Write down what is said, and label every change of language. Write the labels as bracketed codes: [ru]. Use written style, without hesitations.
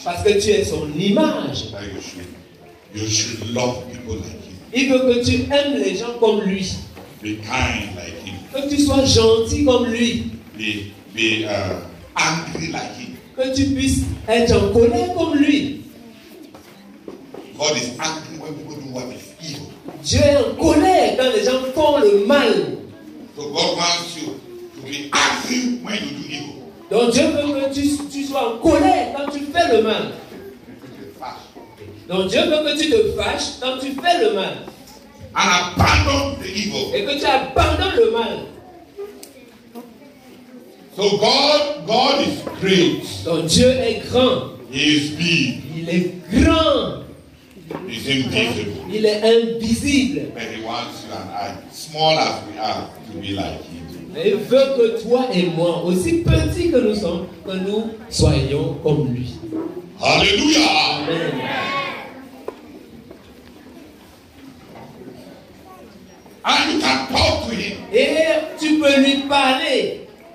[fr] Parce que tu es son image. [en] You should love people like him. [fr] Il veut que tu aimes les gens comme lui. [en] Be kind like him. [fr] Que tu sois gentil comme lui. [en] Be angry like him. [fr] Que tu puisses être en colère comme lui. [en] God is angry when people do what is evil. [fr] Dieu est en colère quand les gens font le mal. [en] So God wants you. Be angry when you do evil. [fr] Donc Dieu veut que tu sois en colère quand tu fais le mal. Donc Dieu veut que tu te fâches quand tu fais le mal. [en] And abandon the evil. [fr] Et que tu abandonnes le mal. [en] So God is great. [fr] Donc Dieu est grand. [en] He is big. [fr] Il est grand. [en] He is invisible. [fr] Il est invisible. [en] But he wants you and I, small as we are, to be like him. [fr] Mais il veut que toi et moi, aussi petits que nous sommes, que nous soyons comme lui. Alléluia. Amen. [en] And you can talk to him. [fr] Et tu peux lui parler.